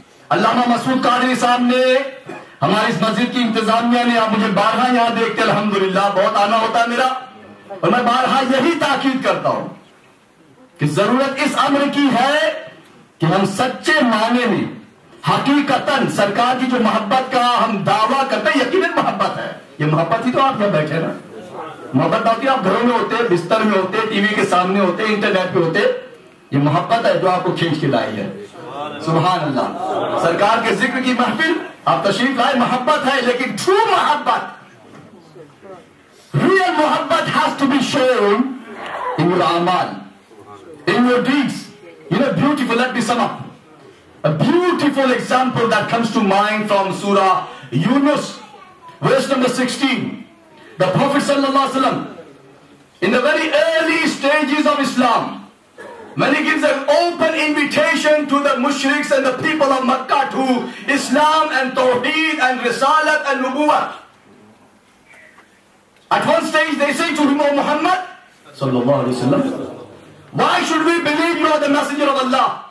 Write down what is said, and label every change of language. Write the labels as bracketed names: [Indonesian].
[Hindi] Allama Masood Qadri sahab ne hamari is masjid ki intizamiya ne aap mujhe baar baar yahan dekhte alhamdulillah bahut aana hota mera aur main baar baar yahi taqeed karta hu ki zarurat is amr ki hai ki hum sacche maane mein haqeeqatan sarkar ki jo mohabbat ka hum daawa karte hain yaqeenan mohabbat hai ye mohabbat hi to aap yahan baithe na मोहब्बत बाकी आप घरों में होते हैं, बिस्तर में होते हैं, टीवी के सामने होते हैं, इंटरनेट पे होते हैं, ये मोहब्बत है जो आपको खींच के लाई है। सुभान अल्लाह। सरकार के जिक्र की महफिल आप तशरीफ लाए, मोहब्बत है, लेकिन [English] True मोहब्बत, real मोहब्बत has to be shown in your आमाल, in your deeds. You know beautiful, let me sum up a beautiful example that comes to mind from Surah Yunus verse number 16. The Prophet sallallahu alaihi wasallam, in the very early stages of Islam, when he gives an open invitation to the mushriks and the people of Makkah to Islam and Tawheed and Risalat and Nubuwwat, at one stage they say to him, O Muhammad sallallahu alaihi wasallam, why should we believe you are the messenger of Allah?